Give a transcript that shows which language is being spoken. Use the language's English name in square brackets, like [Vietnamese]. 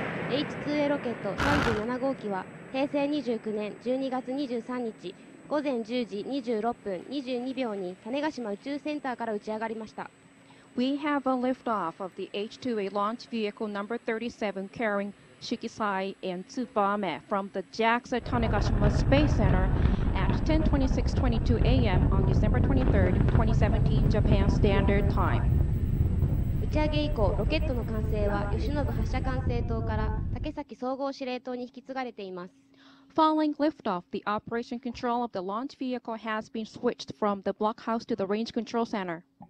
[Japanese] H-IIA rocket 37号機は 平成29年12月23日午前10時26分22秒に種子島宇宙センターから打ち上がりました。 [English] We have a liftoff of the H-2A launch vehicle number 37 carrying Shikisai and Tsubame from the JAXA Tanegashima Space Center at 10:26:22 a.m. on December 23rd, 2017 Japan Standard Time. [Japanese] 打ち上げ以降、ロケットの管制は吉野部発射管制棟から竹崎総合司令棟に引き継がれています。 [English] Following liftoff, the operation control of the launch vehicle has been switched from the blockhouse to the range control center.